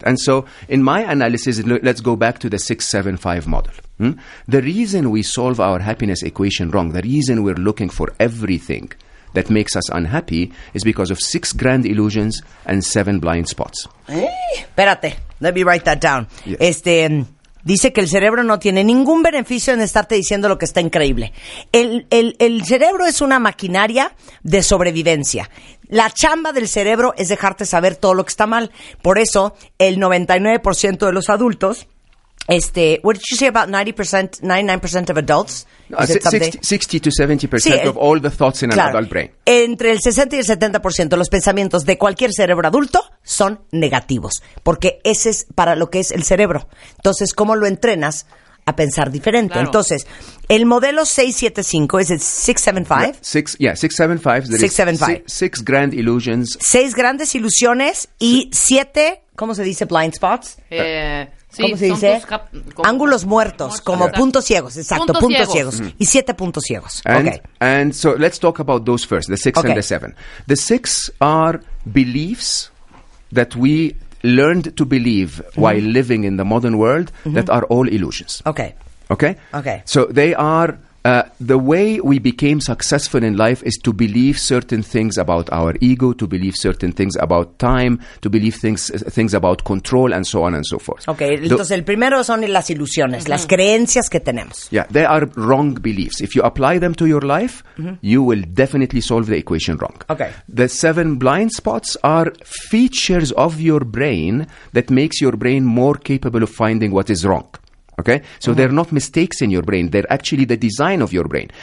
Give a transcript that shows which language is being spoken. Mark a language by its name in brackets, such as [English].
[English] And so in my analysis, let's go back to the 6-7-5 model. The reason we solve our happiness equation wrong, the reason we're looking for everything that makes us unhappy, is because of 6 grand illusions and 7 blind spots. [Spanish] Espérate, [English] let me write that down. Yes. [Spanish] Dice que el cerebro no tiene ningún beneficio en estarte diciendo lo que está increíble. El cerebro es una maquinaria de sobrevivencia. La chamba del cerebro es dejarte saber todo lo que está mal. Por eso, el 99% de los adultos, [English] what did you say about 90%, 99% of adults? No, 60 to 70% of all the thoughts in an adult brain. [Spanish] Entre el 60 y el 70% de los pensamientos de cualquier cerebro adulto son negativos, porque ese es para lo que es el cerebro. Entonces, ¿cómo lo entrenas a pensar diferente? Claro. Entonces, el modelo 675, ¿es el 675? [English] Six grand illusions. [Spanish] 6 grandes ilusiones y 7, ¿cómo se dice? [English] Blind spots. [Spanish] ¿Cómo se dice? Ángulos muertos, como puntos ciegos. Exacto, puntos ciegos. Y 7 puntos ciegos. [English] And so let's talk about those first, the 6 and the 7. The 6 are beliefs that we learned to believe while living in the modern world that are all illusions. Okay. So they are, the way we became successful in life is to believe certain things about our ego, to believe certain things about time, to believe things about control, and so on and so forth. [Spanish] Okay, entonces el primero son las ilusiones, las creencias que tenemos. [English] Yeah, they are wrong beliefs. If you apply them to your life, you will definitely solve the equation wrong. Okay. The 7 blind spots are features of your brain that makes your brain more capable of finding what is wrong. Okay, so they're not mistakes in your brain. They're actually the design of your brain.